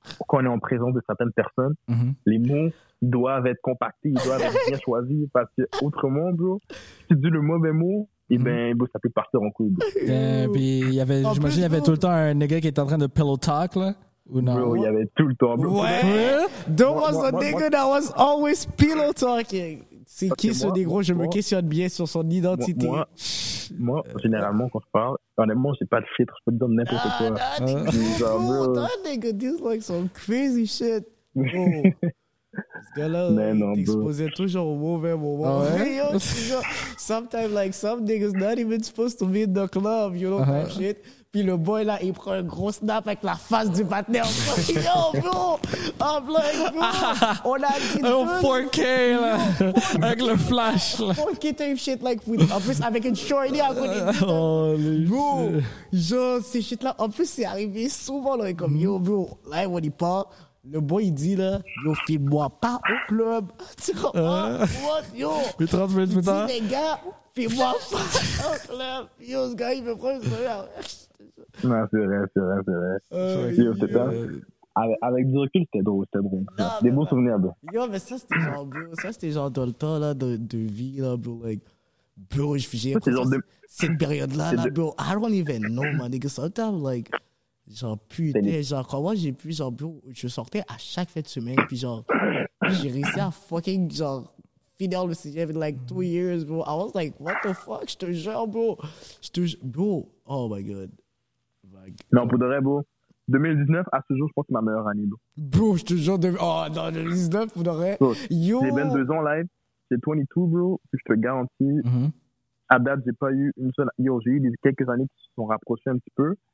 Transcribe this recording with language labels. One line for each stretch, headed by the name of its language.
French: Quand on est en présence de certaines personnes, les mots doivent être compactés, ils doivent être bien choisis, parce que autrement, bro, si tu dis le mauvais mot, et ben, ça peut partir en couille. Puis il y avait, en j'imagine, il y avait tout le temps un nigga qui était en train de pillow talk, là, ou non? Bro, il y avait tout le temps, bro. Ouais.
English: There was a nigga that was always pillow talking.
French: C'est qui ce négro? Je me questionne bien sur son identité. Moi, généralement, quand je parle, honnêtement, j'ai pas de filtre. Je peux te donner n'importe quoi.
English: Ah, nigga, this is like some crazy shit.
French: Ce gars-là, il t'exposait toujours au mauvais moment.
English: Sometimes, like, some niggas not even supposed to be in the club, you know, type shit.
French: Puis le boy, là, il prend un gros snap avec la face du partner.
English: Yo, bro! I'm like, bro!
French: On a dit un 4K, là! Avec le flash, là! 4K
English: type shit, like, with,
French: en plus, avec une shorty à côté. Bro! Genre, ces shit-là, en plus, c'est arrivé souvent, là, comme, yo, bro, là,
English: like, when he
French: parle, le boy, il dit, là, yo, filme-moi pas au club. Tu comprends?
English: What, yo?
French: Mais 30 minutes plus tard. Dis, les gars, filme-moi pas au club. Yo, ce gars, il me prend une soirée. Non, c'est vrai. Avec du recul, c'était drôle, c'était bon. Des bons souvenirs, bro. Yo, mais ça, c'était genre, bro. Ça, c'était genre dans le temps, là, de vie, là, bro. Like, bro, j'ai écouté cette période-là, là, bro.
English: I don't even know, man, nigga. Sometimes, like,
French: genre, putain, genre, comment j'ai pu, genre, bro, je sortais à chaque fin de semaine, puis genre, j'ai réussi à fucking, genre, finir le CGF
English: in, like, 2 years,
French: bro.
English: I was like, what the fuck,
French: je te jure,
English: bro. Bro, oh my God.
French: Non, pour de vrai, bro. 2019, à ce jour, je pense que c'est ma meilleure année, bro. Bro, je te jure, oh, non, 2019, pour de vrai. Yo. J'ai 22 ans live, j'ai 22, bro. Puis je te garantis, à date, j'ai pas eu une seule. Yo, j'ai eu quelques années qui se sont rapprochées un petit peu.